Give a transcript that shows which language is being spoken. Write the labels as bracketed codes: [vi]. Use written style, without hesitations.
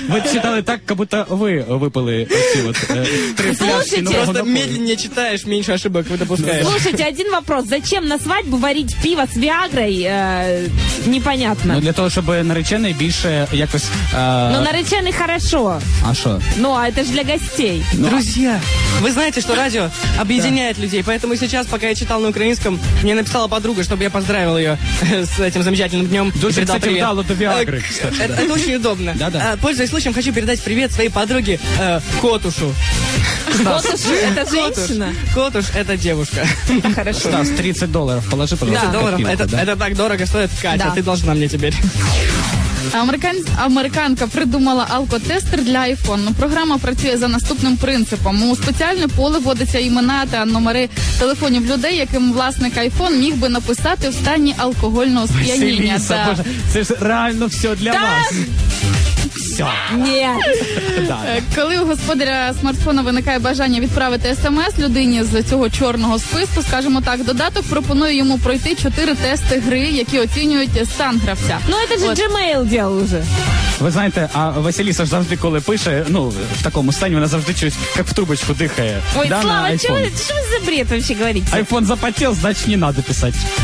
[uk] Ви читали так, як будто ви випили оці от три пляшки. [ru] Слушайте! [uk] Просто медленнее читаєш, менше ошибок ви допускаєш. [ru] Слушайте, один вопрос. Зачем на свадьбу варить пиво з Віагрой? Непонятно. [uk] Ну, для того, щоб наречений більше якось... Ну, наречений хорошо. А що? Ну, а це ж для гостей. [ru] Друзья, [uk] ви знаєте, що радіо об'єднує людей, [ru] поэтому сейчас, пока я читал на украинском, мне написала подруга, чтобы я поздравил ее с этим замечательным днем. [uk] Дуже, кстати, вдало до Виагры. [ru] Это очень удобно. Да-да. Пользуясь случаем, хочу передать привет своей подруге Котушу. Котуш — это женщина. Котуш — это девушка. Хорошо. Стас, $30 положи, пожалуйста. $30 это так дорого стоит. Катя, ты должна мне теперь. Американка придумала алкотестер для iPhone. [uk] Ну, програма працює за наступним принципом. У спеціальне поле вводяться імена та номери телефонів людей, яким власник iPhone міг би написати в стані алкогольного сп'яніння. Василіса, та... Боже, це ж реально все для вас. Ні. Коли у господаря смартфона виникає бажання відправити смс людині з цього чорного списку, скажімо так, додаток пропонує йому пройти 4 тести гри, які оцінюють стан гравця. Ну, це ж Gmail діло вже. Ви знаєте, а Василіса ж завжди, коли пише, ну, в такому стані, вона завжди чогось, як в трубочку дихає. [ru] Ой, да, Слава, що ви за бред вообще говорите? Айфон запотел, значить не надо писати.